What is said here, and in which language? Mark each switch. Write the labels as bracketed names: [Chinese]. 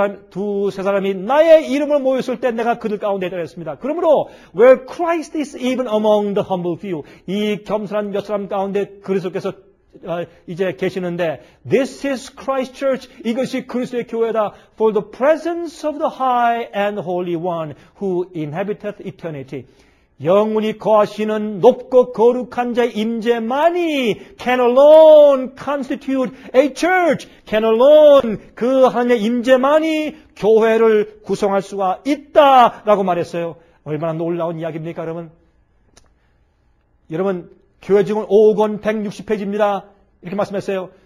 [Korean] 두 세 사람이 나의 이름을 모였을 때 내가 그들 가운데 있다 그랬습니다. 그러므로 [English] Where Christ is even among the humble few, [Korean] 이 겸손한 몇 사람 가운데 그리스도께서 이제 계시는데 [English] This is Christ's church. [Korean] 이것이 그리스도의 교회다. [English] For the presence of the high and holy one who inhabiteth eternity. [Korean] 영원히 거하시는 높고 거룩한 자의 임재만이 [English] can alone constitute a church. can alone [Korean] 그 하나님의 임재만이 교회를 구성할 수가 있다 라고 말했어요. 얼마나 놀라운 이야기입니까 여러분. 여러분 교회 증언 5권 160페이지입니다. 이렇게 말씀했어요.